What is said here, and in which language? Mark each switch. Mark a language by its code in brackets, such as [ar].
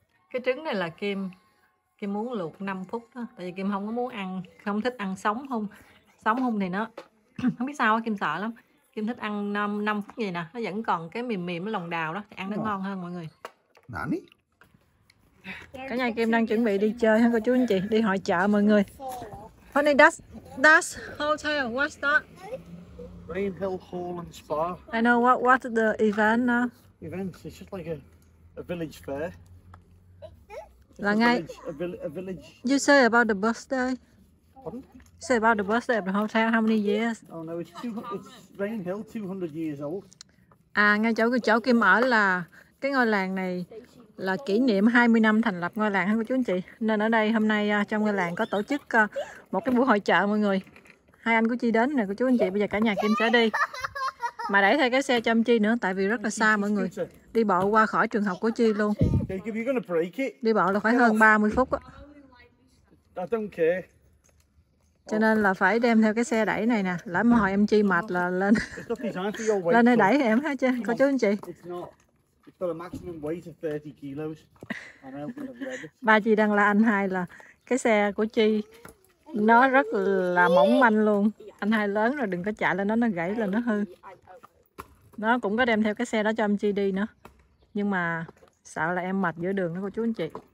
[vi] Cái trứng này là Kim muốn luộc 5 phút đó, tại vì Kim không có muốn ăn, không thích ăn sống không thì nó không biết sao đó, Kim sợ lắm. Kim thích ăn năm phút gì nè, nó vẫn còn cái mềm mềm ở lòng đào đó, thì ăn nó ngon hơn mọi người. Nani. Cả nhà Kim đang chuẩn bị đi chơi hả cô chú anh chị, đi hội chợ mọi người. [en] Honey Dust Dust Hotel, what's that? Rain Hill Hall and Spa. I know, what's the event now? Events, it's just like a village fair. [vi] Là ngay [en] a village. You say about the birthday? Pardon? Say about the birthday of the hotel, how many years? Oh no, it's Rain Hill, 200 years old. [vi] À, ngay chỗ Kim ở là cái ngôi làng này là kỷ niệm 20 năm thành lập ngôi làng hả cô chú anh chị. Nên ở đây hôm nay trong ngôi làng có tổ chức một cái buổi hội chợ mọi người. Hai anh của Chi đến nè cô chú anh chị, bây giờ cả nhà Kim sẽ đi. Mà để theo cái xe cho Chi nữa, tại vì rất là xa mọi người. Đi bộ qua khỏi trường học của Chi luôn. Đi bộ là phải hơn 30 phút á. Cho nên là phải đem theo cái xe đẩy này nè. Lỡ mà hồi em Chi mệt là lên lên đây đẩy em hả chứ cô chú anh chị. [en] It's got a maximum weight of 30 kilos. [vi] Ba Chi đang la anh hai là cái xe của Chi nó rất là mỏng manh luôn. Anh hai lớn rồi đừng có chạy lên nó gãy là nó hư. Nó cũng có đem theo cái xe đó cho em Chi đi nữa. Nhưng mà sợ là em mệt giữa đường đó cô chú anh chị.